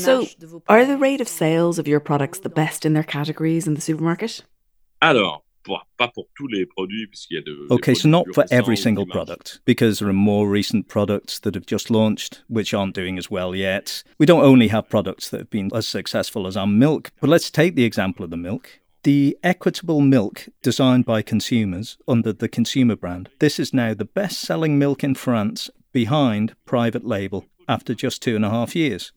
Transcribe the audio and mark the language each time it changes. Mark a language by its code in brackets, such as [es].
[en] so, are the rate of sales of your products the best in their categories in the supermarket? [fr] Alors, pas pour tous les produits, puisqu'il y a de. [en] Okay, so not for every single product, because there are more recent products that have just launched, which aren't doing as well yet. We don't only have products that have been as successful as our milk, but let's take the example of the milk. The Equitable Milk, designed by consumers under the consumer brand, this is now the best-selling milk in France behind private label after just 2.5 years.